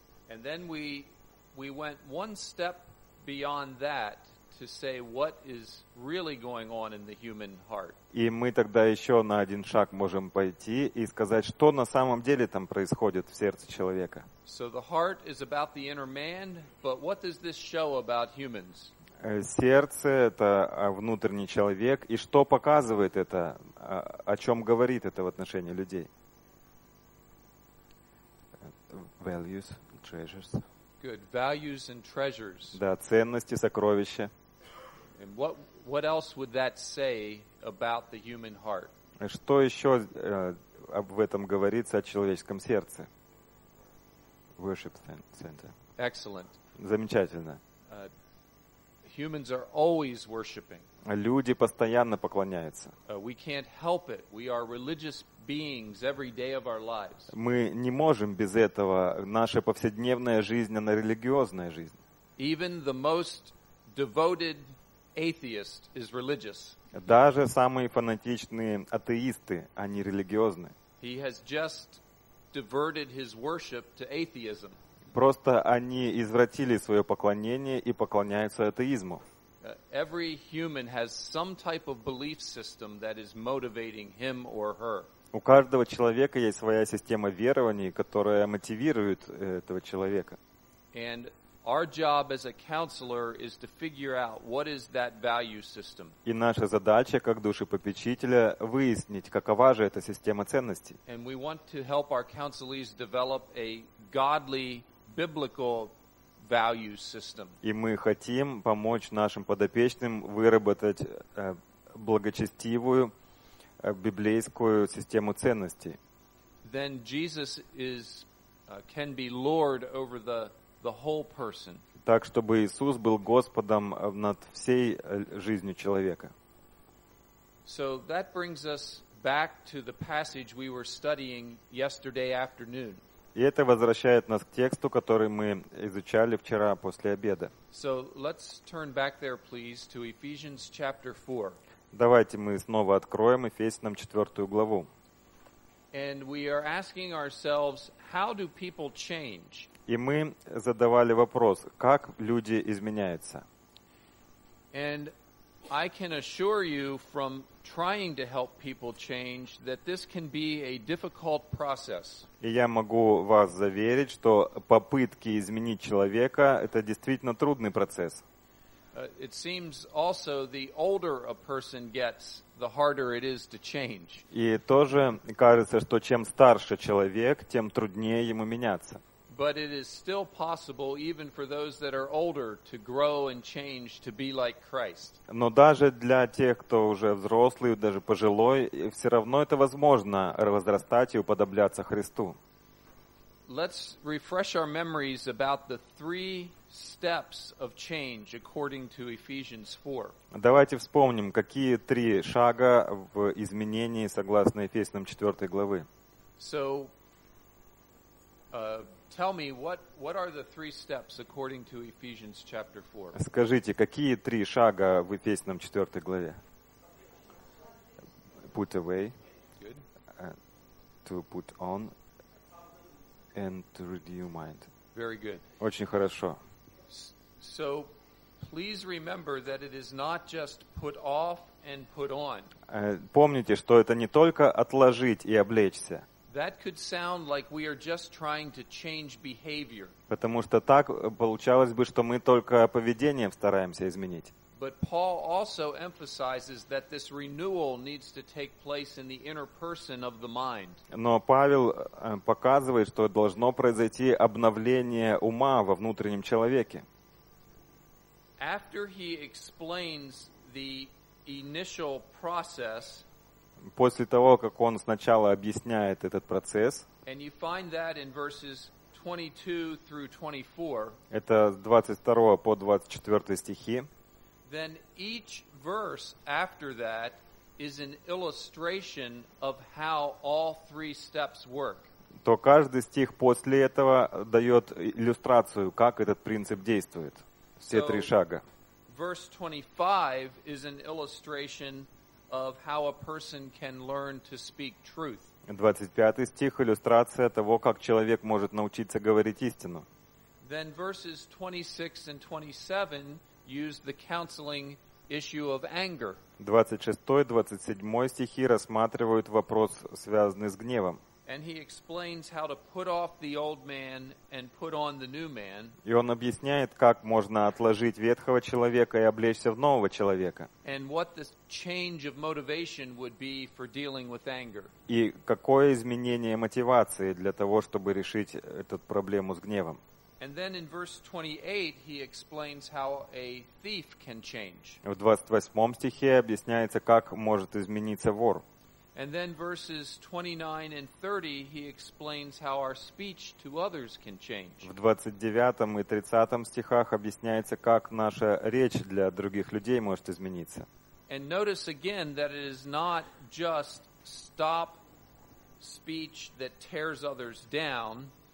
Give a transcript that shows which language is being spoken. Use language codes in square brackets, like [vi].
[en] And then we went one step beyond that to say what is really going on in the human heart. [ru] И мы тогда еще на один шаг можем пойти и сказать, что на самом деле там происходит в сердце человека. [en] So the heart is about the inner man, but what does this show about humans? [ru] Сердце — это внутренний человек. И что показывает это? О чем говорит это в отношении людей? [en] Values, treasures. Good. Values and treasures. [ru] Да, ценности, сокровища. [en] And what else would that say about the human heart? [ru] Что еще в этом говорится о человеческом сердце? [en] Worship center. Excellent. [ru] Замечательно. [en] Humans are always worshiping. [ru] Люди постоянно поклоняются. [en] We can't help it. We are religious beings every day of our lives. [ru] Мы не можем без этого. Наша повседневная жизнь, она религиозная жизнь. [en] Even the most devoted atheist is religious. [ru] Даже самые фанатичные атеисты, они религиозны. [en] He has just diverted his worship to atheism. [ru] Просто они извратили свое поклонение и поклоняются атеизму. [en] Every human has some type of belief system that is motivating him or her. [ru] У каждого человека есть своя система верований, которая мотивирует этого человека. [en] And our job as a counselor is to figure out what is that value system. [ru] И наша задача как душепопечителя выяснить, какова же эта система ценностей. [en] And we want to help our counselees develop a godly biblical value system. [ru] И мы хотим помочь нашим подопечным выработать благочестивую библейскую систему ценностей. [en] Then Jesus is can be Lord over the whole person. [ru] Так чтобы Иисус был Господом над всей жизнью человека. [en] So that brings us back to the passage we were studying yesterday afternoon. [ru] И это возвращает нас к тексту, который мы изучали вчера после обеда. [en] So let's turn back there, please, to Ephesians chapter 4. [ru] Давайте мы снова откроем Ефесянам 4 главу. [en] And we are asking ourselves, how do people change? [ru] И мы задавали вопрос, как люди изменяются? [en] And I can assure you from trying to help people change that this can be a difficult process. [ru] И я могу вас заверить, что попытки изменить человека — это действительно трудный процесс. [en] It seems also the older a person gets, the harder it is to change. [ru] И тоже кажется, что чем старше человек, тем труднее ему меняться. [en] But it is still possible, even for those that are older, to grow and change to be like Christ. [ru] Но даже для тех, кто уже взрослый, даже пожилой, все равно это возможно возрастать и уподобляться Христу. [en] Let's refresh our memories about the three steps of change according to Ephesians 4. [ru] Давайте вспомним, какие три шага в изменении согласно Ефесянам 4 главы. [en] So, tell me what are the three steps according to Ephesians chapter 4? [ru] Скажите, какие три шага в Ефесянам 4 главе? [en] Put away. Good. To put on and to renew mind. Very good. [ru] Очень хорошо. [en] So please remember that it is not just put off and put on. [ru] Помните, что это не только отложить и облечься. [en] That could sound like we are just trying to change behavior. [ru] Потому что так получалось бы, что мы только поведение стараемся изменить. [en] But Paul also emphasizes that this renewal needs to take place in the inner person of the mind. [ru] Но Павел показывает, что должно произойти обновление ума во внутреннем человеке. [en] After he explains the initial process, [ru] после того, как он сначала объясняет этот процесс, [en] and you find that in verses 22 through 24, [ru] это 22 по 24 стихи, [en] then each verse after that is an illustration of how all three steps work. [ru] То каждый стих после этого дает иллюстрацию, как этот принцип действует. Все три шага. [en] Verse 25 is an illustration of how a person can learn to speak truth. [ru] 25 стих — иллюстрация того, как человек может научиться говорить истину. [en] Then verses 26 and 27 use the counseling issue of anger. [ru] 26-27 стихи рассматривают вопрос, связанный с гневом. [en] And he explains how to put off the old man and put on the new man. [ru] И он объясняет, как можно отложить ветхого человека и облечься в нового человека. [en] And what the change of motivation would be for dealing with anger. [ru] И какое изменение мотивации для того, чтобы решить эту проблему с гневом. [en] And then in verse 28 he explains how a thief can change. [ru] В 28 стихе объясняется, как может измениться вор. [en] And then verses 29 and 30 he explains how our speech to others can change. [ru] В 29 и 30 стихах объясняется, как наша речь для других людей может измениться. [en] And notice again that it is not just stop speech that tears others down.